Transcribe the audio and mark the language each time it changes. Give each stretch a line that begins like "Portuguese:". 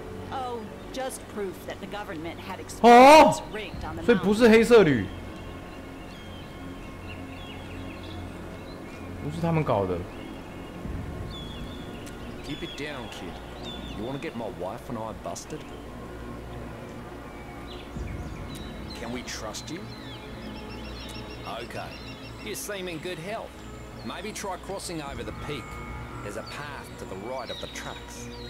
English: Oh, just proof that the government had experiments rigged on the mountain.
Chinese: 所以不是黑色旅，不是他们搞的。
English: Keep it down, kid. You want to get my wife and I busted? Can we trust you? Okay, you seem in good health. Maybe try crossing over the peak. There's a path to the right of the tracks.